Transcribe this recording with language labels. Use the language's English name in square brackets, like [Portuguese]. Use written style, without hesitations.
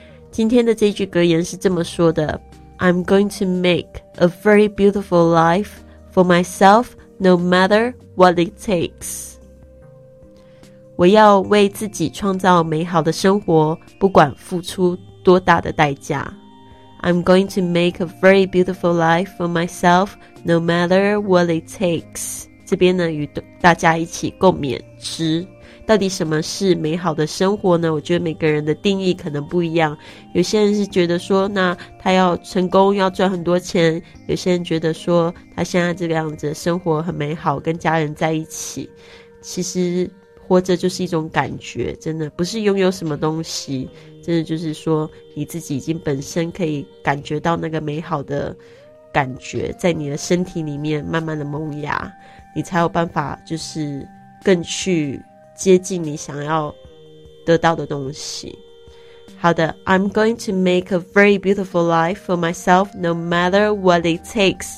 [Chinese] 今天的这句格言是这么说的， [English] I'm going to make a very beautiful lifeFor myself, no matter what it takes. [Chinese] 我要为自己创造美好的生活，不管付出多大的代价。 [English] I'm going to make a very beautiful life for myself, no matter what it takes. [Chinese] 这边呢，与大家一起共勉之。到底什么是美好的生活呢？我觉得每个人的定义可能不一样。有些人是觉得说，那他要成功，要赚很多钱；有些人觉得说，他现在这个样子的生活很美好，跟家人在一起。其实活着就是一种感觉，真的不是拥有什么东西，真的就是说你自己已经本身可以感觉到那个美好的感觉，在你的身体里面慢慢的萌芽，你才有办法就是更去接近你想要得到的东西。好的， [English] I'm going to make a very beautiful life for myself, no matter what it takes.